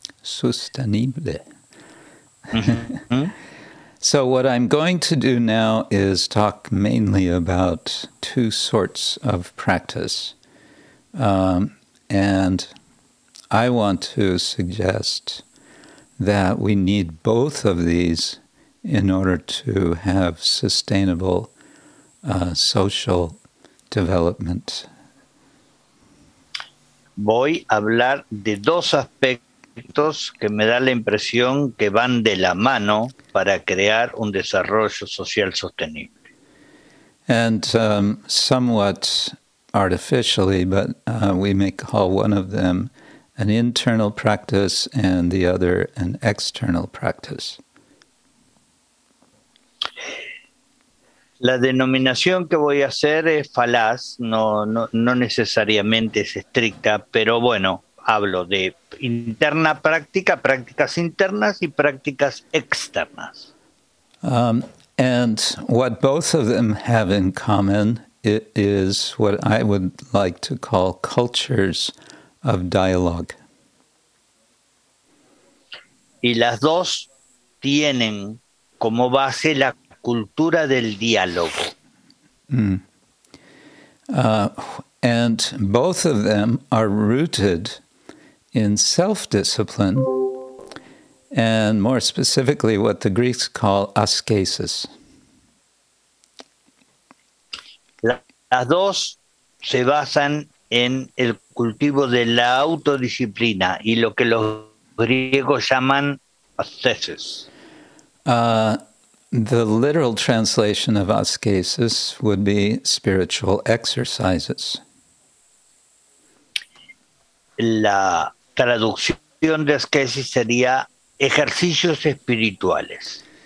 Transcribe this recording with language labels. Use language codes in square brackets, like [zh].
[es] Sostenible. [en] So what I'm going to do now is talk mainly about two sorts of practice. And I want to suggest that we need both of these in order to have sustainable social development. [es] Voy a hablar de dos aspectos que me da la impresión que van de la mano para crear un desarrollo social sostenible. [en] And somewhat artificially, but we may call one of them an internal practice and the other an external practice. [es] La denominación que voy a hacer es falaz, no necesariamente es estricta, pero bueno, hablo de interna práctica, prácticas internas y prácticas externas. [en] And what both of them have in common, it is what I would like to call cultures of dialogue. [es] Y las dos tienen como base la cultura del diálogo. [en] And both of them are rooted in self-discipline, and more specifically what the Greeks call askesis. [es] Las dos se basan en el cultivo de la autodisciplina y lo que los griegos llaman ascesis. [en] The literal translation of askesis would be spiritual exercises. [es] La traducción de askesis sería ejercicios espirituales.